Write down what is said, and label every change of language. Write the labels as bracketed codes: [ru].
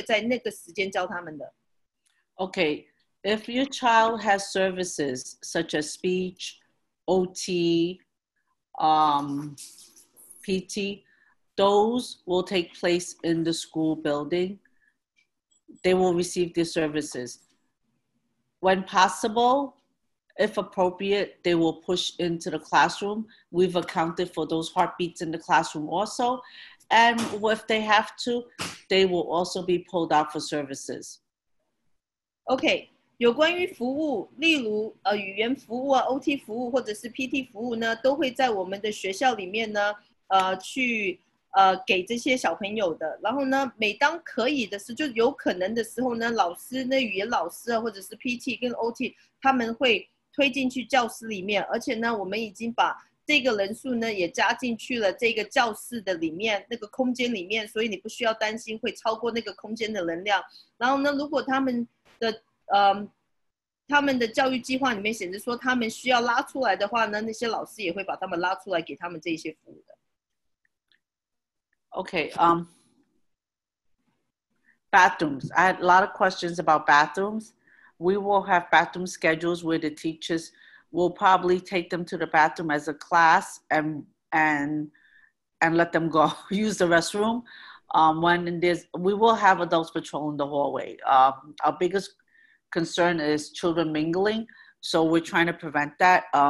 [zh] 而且也会教小朋友呢，怎么样安全的，在教室在学校里面上学安全的放学，然后呢，还有一些安全的措施呢，我们都会在那个时间教他们的。Okay, [en] if your child has services such as speech, OT, PT, those will take place in the school building. They will receive the services when possible. If appropriate, they will push into the classroom. We've accounted for those heartbeats in the classroom also. And if they have to, they will also be pulled out for services. [zh] Okay, 有关于服务，例如语言服务啊、OT服务或者是PT服务呢, 都会在我们的学校里面呢，去给这些小朋友的。然后呢，每当可以的时候，就有可能的时候呢, 老师呢、语言老师啊或者是PT跟OT，他们会 推进去教室里面，而且呢，我们已经把这个人数呢也加进去了这个教室的里面那个空间里面，所以你不需要担心会超过那个空间的能量。然后呢，如果他们的教育计划里面显示说他们需要拉出来的话呢，那些老师也会把他们拉出来给他们这些服务的。Okay, [en] bathrooms. I had a lot of questions about bathrooms. We will have bathroom schedules where the teachers will probably take them to the bathroom as a class and let them go use the restroom. When there's, we will have adults patrolling the hallway. Our biggest concern is children mingling, so we're trying to prevent that.